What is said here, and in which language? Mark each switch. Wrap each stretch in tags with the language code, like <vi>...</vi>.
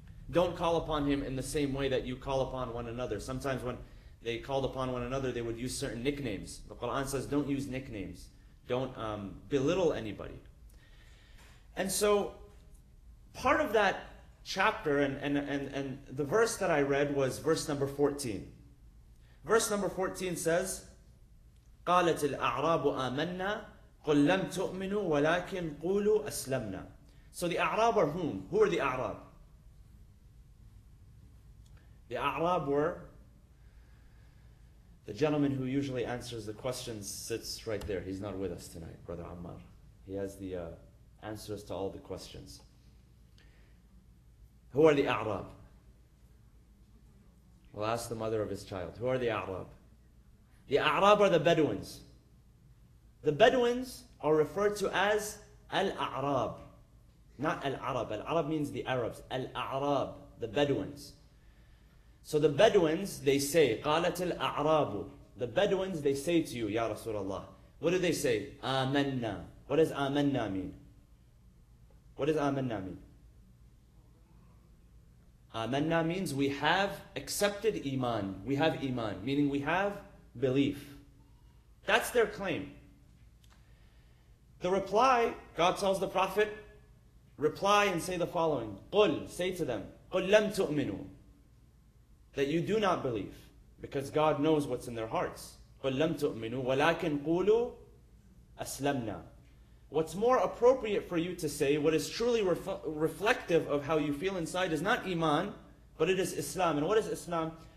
<en>Don't call upon him in the same way that you call upon one another. Sometimes when they called upon one another, they would use certain nicknames. The Quran says, don't use nicknames. Don't belittle anybody. And so, part of that chapter and the verse that I read was verse number 14. Verse number 14 says,</en> <ar>قالت الأعراب آمنا قل لم تؤمنوا ولكن قولوا أسلمنا.</ar> <en>So the A'rab are whom? Who are the A'rab? The A'rab were the gentleman who usually answers the questions, sits right there. He's not with us tonight, Brother Ammar. He has the answers to all the questions. Who are the A'rab? We'll ask the mother of his child. Who are the A'rab? The A'rab are the Bedouins. The Bedouins are referred to as Al-A'rab. Not Al-Arab. Al-Arab means the Arabs. Al-A'rab, the Bedouins. So the Bedouins, they say,</en> <ar>قَالَتِ الْأَعْرَابُ.</ar> <en>The Bedouins, they say to you, Ya Rasulallah. What do they say? Amanna. What does Amanna mean? What does Amanna mean? Amanna means we have accepted Iman. We have Iman, meaning we have belief. That's their claim. The reply, God tells the Prophet, reply and say the following.</en> <ar>قُلْ,</ar> <en>say to them,</en> <ar>قُلْ لَمْ تُؤْمِنُوا.</ar> <en>That you do not believe, because God knows what's in their hearts.</en> <ar>قُلْ لَمْ تُؤْمِنُوا وَلَكِنْ قُولُوا أَسْلَمْنَا.</ar> <en>What's more appropriate for you to say, what is truly reflective of how you feel inside, is not Iman, but it is Islam. And what is Islam?</en>